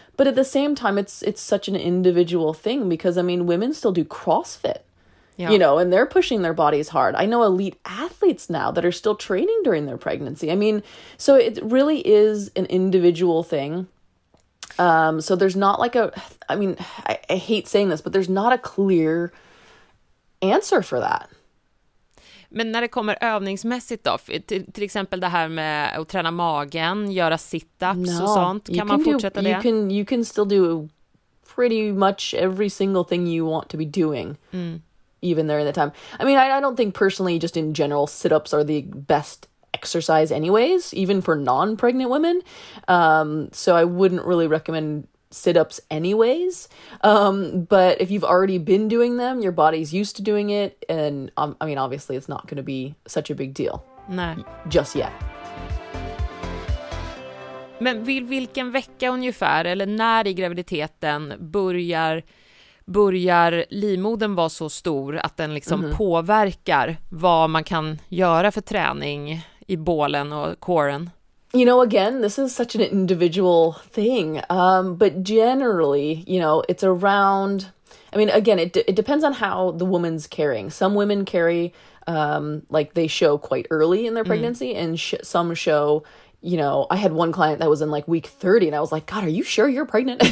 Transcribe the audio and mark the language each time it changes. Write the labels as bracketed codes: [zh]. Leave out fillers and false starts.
[en] But at the same time, it's such an individual thing because, I mean, women still do CrossFit, you know, and they're pushing their bodies hard. I know elite athletes now that are still training during their pregnancy. I mean, so it really is an individual thing. So there's not like a, I mean, I hate saying this, but there's not a clear answer for that. [sv] Men när det kommer övningsmässigt då, till exempel det här med att träna magen, göra sit-ups och sånt, kan man fortsätta det? [en] You can still do pretty much every single thing you want to be doing, even during the time. I mean, I don't think personally, just in general, sit-ups are the best exercise anyways, even for non-pregnant women. So I wouldn't really recommend sit-ups anyways. But if you've already been doing them, your body's used to doing it, and I mean, obviously it's not going to be such a big deal. [sv] Nej. [en] Just yet. [sv] Men vilken vecka ungefär, eller när i graviditeten börjar livmodern vara så stor att den liksom påverkar vad man kan göra för träning i bålen och coren? [en] You know, again, this is such an individual thing, but generally, you know, it's around, I mean, again, it depends on how the woman's carrying. Some women carry, like, they show quite early in their pregnancy, and some show, you know, I had one client that was in, like, week 30, and I was like, God, are you sure you're pregnant?